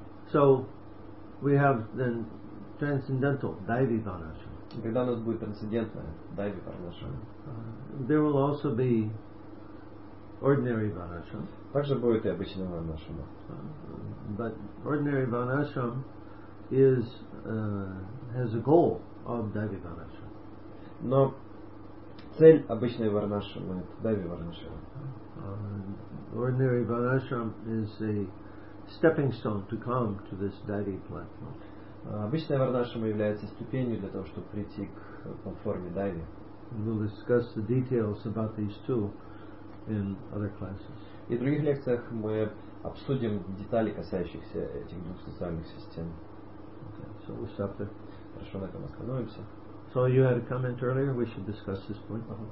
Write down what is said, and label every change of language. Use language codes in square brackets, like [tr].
[en] So we have then transcendental Daivivarnashrama. [ru] И когда у нас будет трансцендентное Daivivarnashrama, [en] there will also be ordinary Varnashrama. [ru] Также будет и обычный Варнашрама. [en] But ordinary Varnashrama is has a goal of Daivivarnashrama. [ru] Но цель обычной Варнашрамы — это Daivivarnashrama. [en] Ordinary Varnashrama is a stepping stone to come to this Daivi platform. [ru] Обычная Варнашрама является ступенью для того, чтобы прийти к платформе Daivi. [en] We'll discuss the details about these two in other classes. [ru] И в других лекциях мы обсудим детали, касающихся этих двух социальных систем. [en] Okay, so we'll stop there. [ru] Хорошо, на этом остановимся. [en] So you had a comment earlier, we should discuss this point.